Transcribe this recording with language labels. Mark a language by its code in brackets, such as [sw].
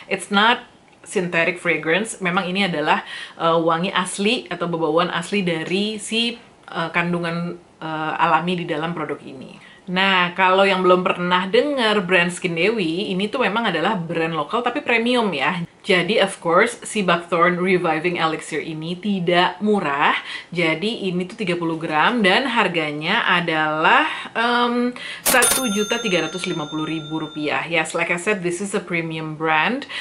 [en] It's not synthetic fragrance. [id] Memang ini adalah wangi asli atau bebauan asli dari si kandungan alami di dalam produk ini. Nah, kalau yang belum pernah dengar brand Skin Dewi, ini tuh memang adalah brand lokal tapi premium ya. Jadi, of course, si Buckthorn Reviving Elixir ini tidak murah. Jadi, ini tuh 30 gram dan harganya adalah Rp1.350.000. [en] Yes, like I said, this is a premium brand.